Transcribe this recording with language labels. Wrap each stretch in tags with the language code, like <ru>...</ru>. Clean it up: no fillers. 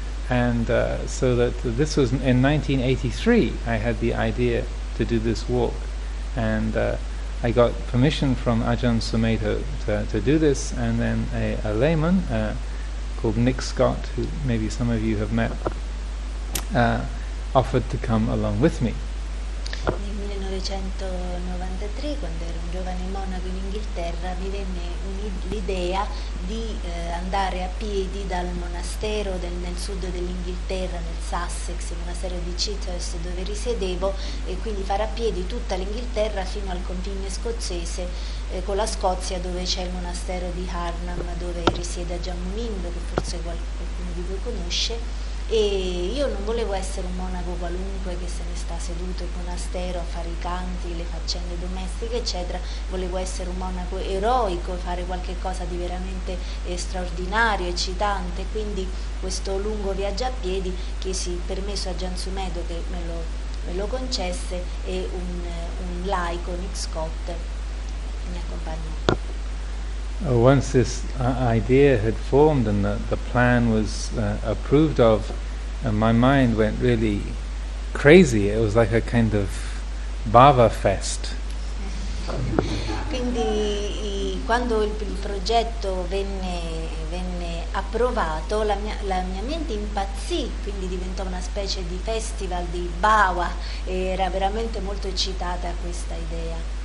<en>And so that this was in 1983, I had the idea to do this walk. And I got permission from Ajahn Sumedho to do this, and then a layman called Nick Scott, who maybe some of you have met, offered to come along with me.</en> <it>Nel 1993, quando ero un giovane monaco in Inghilterra, mi venne l'idea di andare a piedi dal monastero nel sud dell'Inghilterra, nel Sussex, il monastero di Chidhurst dove risiedevo, e quindi fare a piedi tutta l'Inghilterra fino al confine scozzese con la Scozia, dove c'è il monastero di Harnham, dove risiede Ajahn Munindo, che forse qualcuno di voi conosce. E io non volevo essere un monaco qualunque che se ne sta seduto in monastero a fare i canti, le faccende domestiche, eccetera. Volevo essere un monaco eroico, fare qualche cosa di veramente straordinario, eccitante. Quindi questo lungo viaggio a piedi chiesi permesso a Ajahn Sumedho, che me lo concesse, e un laico, Nick Scott, mi accompagnò.</it> <en>Once this idea had formed and the plan was approved of, my mind went really crazy. It was like a kind of bhava fest.</en> <it>Quindi quando il progetto venne approvato, la mia mente impazzì, quindi diventò una specie di festival di bhava, e era veramente molto eccitata a questa idea.</it>